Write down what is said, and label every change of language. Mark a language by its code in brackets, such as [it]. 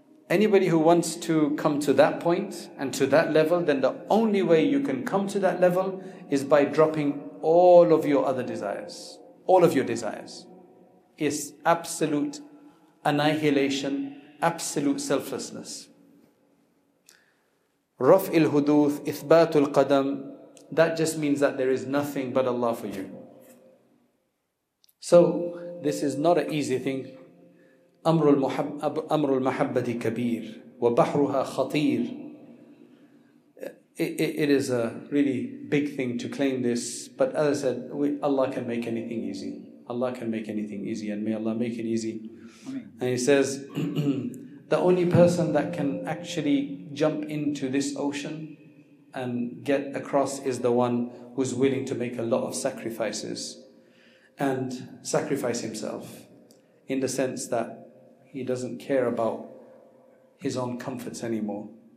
[en] Anybody who wants to come to that point and to that level, then the only way you can come to that level is by dropping all of your other desires. All of your desires. It's absolute annihilation, absolute selflessness. Raf'il huduth, ithbatul qadam, that just means that there is nothing but Allah for you. So, this is not an easy thing. [ar] أمر المحبة كبير وبحرها خطير. [en] It is a really big thing to claim this, but as I said, Allah can make anything easy. Allah can make anything easy, and may Allah make it easy. And he says, the only person that can actually jump into this ocean and get across is the one who's willing to make a lot of sacrifices and sacrifice himself, in the sense that he doesn't care about his own comforts anymore.